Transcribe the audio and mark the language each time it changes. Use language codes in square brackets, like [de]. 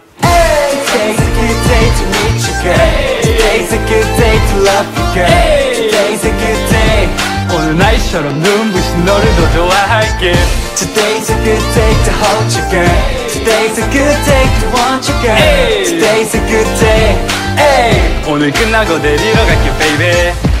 [en] Today's a good day to meet you, girl. Today's a good day to love you, girl. Today's a good day. [ko] 오늘 날처럼 눈부신 너를 더 좋아할게. [en] Today's a good day to hold you, girl. Today's a good day to want you, girl. Today's a good day. Hey! [ko] 오늘 끝나고 데리러 갈게, baby.